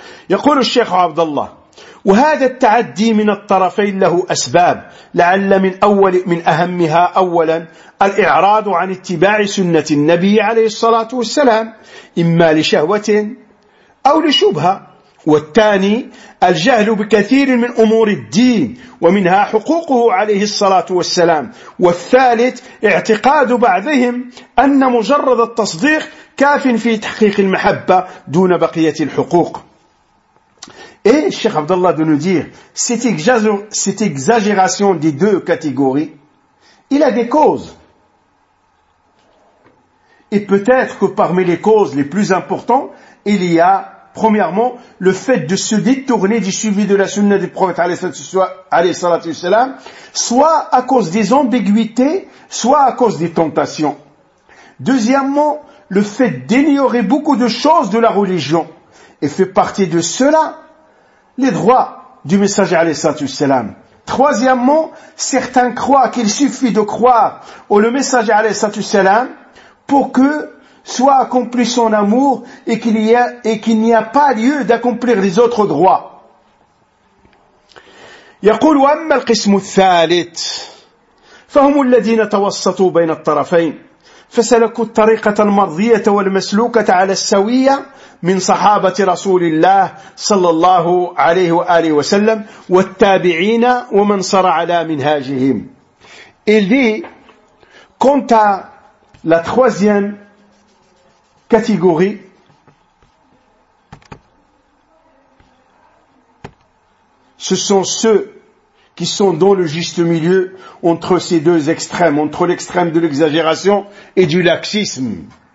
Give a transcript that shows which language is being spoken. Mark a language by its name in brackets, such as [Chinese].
[Arabic] يقول الشيخ عبد الله وهذا التعدي من الطرفين له أسباب لعل من أهمها أولا الإعراض عن اتباع سنة النبي عليه الصلاة والسلام إما لشهوة أو لشبهة، والثاني الجهل بكثير من أمور الدين ومنها حقوقه عليه الصلاة والسلام، والثالث اعتقاد بعضهم أن مجرد التصديق كاف في تحقيق المحبة دون بقية الحقوق. [French] Et Cheikh Abdallah de nous dire, cette exagération des deux catégories, il a des causes. Et peut-être que parmi les causes les plus importantes, il y a premièrement le fait de se détourner du suivi de la sunna du prophète alayhi salatu wassalam, soit à cause des ambiguïtés, soit à cause des tentations. Deuxièmement, le fait d'ignorer beaucoup de choses de la religion, et fait partie de cela les droits du messager alayhi salatu wassalam. Troisièmement, certains croient qu'il suffit de croire au messager alayhi salatu wassalam pour que soit accompli son amour et qu'il n'y a pas lieu d'accomplir les autres droits. [Arabic] يقول أما القسم الثالث فهم الذين توسطوا بين الطرفين فسلكوا الطريقة المرضية والمسلوكة على السوية من صحابة رسول الله صلى الله عليه وآله وسلم والتابعين ومن صار على منهاجهم. إلي كنت [French] la troisième catégorie, ce sont ceux qui sont dans le juste milieu entre ces deux extrêmes, entre l'extrême de l'exagération et du laxisme.